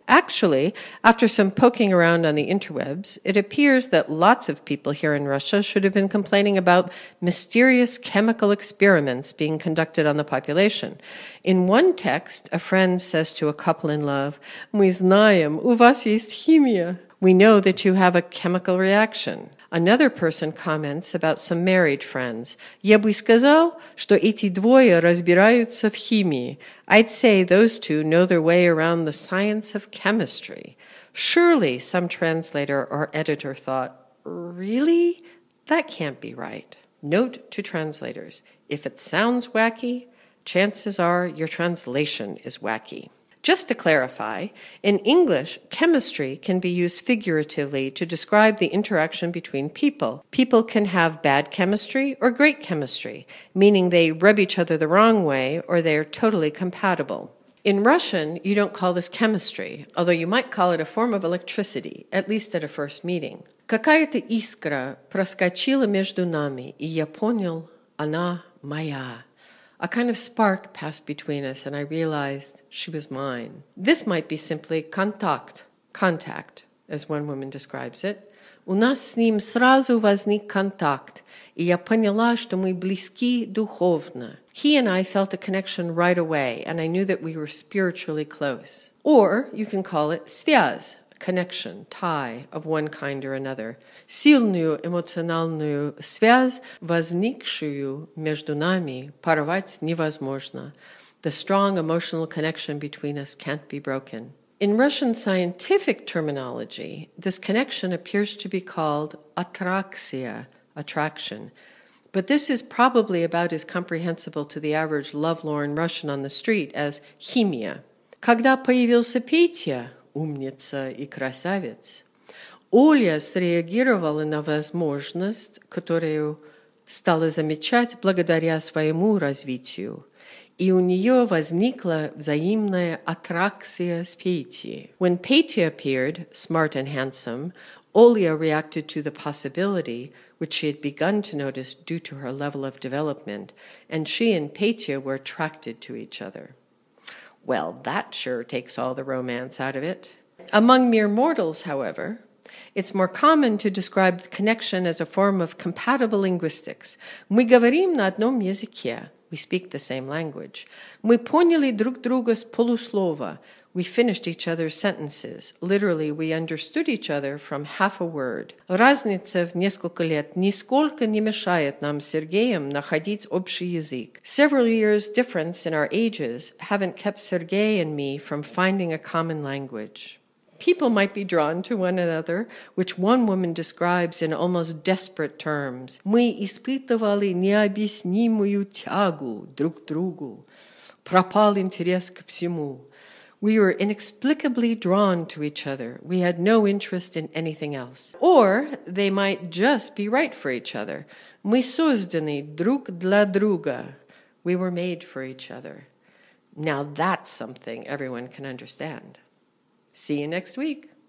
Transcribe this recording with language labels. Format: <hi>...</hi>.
<en>Actually, after some poking around on the interwebs, it appears that lots of people here in Russia should have been complaining about mysterious chemical experiments being conducted on the population. In one text, a friend says to a couple in love,</en> <ru>«Мы знаем, у вас есть химия».</ru> <en>We know that you have a chemical reaction. Another person comments about some married friends.</en> <ru>Я бы сказал, что эти двое разбираются в химии.</ru> <en>I'd say those two know their way around the science of chemistry. Surely, some translator or editor thought, really? That can't be right. Note to translators, if it sounds wacky, chances are your translation is wacky. Just to clarify, in English, chemistry can be used figuratively to describe the interaction between people. People can have bad chemistry or great chemistry, meaning they rub each other the wrong way or they are totally compatible. In Russian, you don't call this chemistry, although you might call it a form of electricity, at least at a first meeting.</en> <ru>Какая-то искра проскочила между нами, и я понял, она моя.</ru> <en>A kind of spark passed between us, and I realized she was mine. This might be simply contact, as one woman describes it.</en> <ru>У нас с ним сразу возник контакт, и я поняла, что мы близки духовно.</ru> <en>He and I felt a connection right away, and I knew that we were spiritually close. Or you can call it связь, connection, tie of one kind or another.</en> <ru>Сильную эмоциональную связь, возникшую между нами, порвать невозможно.</ru> <en>The strong emotional connection between us can't be broken. In Russian scientific terminology, this connection appears to be called атракция, attraction. But this is probably about as comprehensible to the average lovelorn Russian on the street as химия.</en> <ru>Когда появился Петя, умница и красавец. Оля среагировала на возможность, которую стала замечать благодаря своему развитию, и у нее возникла взаимная аттракция с Петей.</ru> <en>When Petya appeared, smart and handsome, Оля reacted to the possibility, which she had begun to notice due to her level of development, and she and Petya were attracted to each other. Well, that sure takes all the romance out of it. Among mere mortals, however, it's more common to describe the connection as a form of compatible linguistics.</en> <ru>Мы говорим на одном языке.</ru> <en>We speak the same language.</en> <ru>Мы поняли друг друга с полуслова.</ru> <en>We finished each other's sentences. Literally, we understood each other from half a word.</en> <ru>Разница в несколько лет нисколько не мешает нам с Сергеем находить общий язык.</ru> <en>Several years' difference in our ages haven't kept Сергей and me from finding a common language. People might be drawn to one another, which one woman describes in almost desperate terms.</en> <ru>Мы испытывали необъяснимую тягу друг к другу. Пропал интерес к всему.</ru> <en>We were inexplicably drawn to each other. We had no interest in anything else. Or they might just be right for each other.</en> <ru>Мы созданы друг для друга.</ru> <en>We were made for each other. Now that's something everyone can understand. See you next week.</en>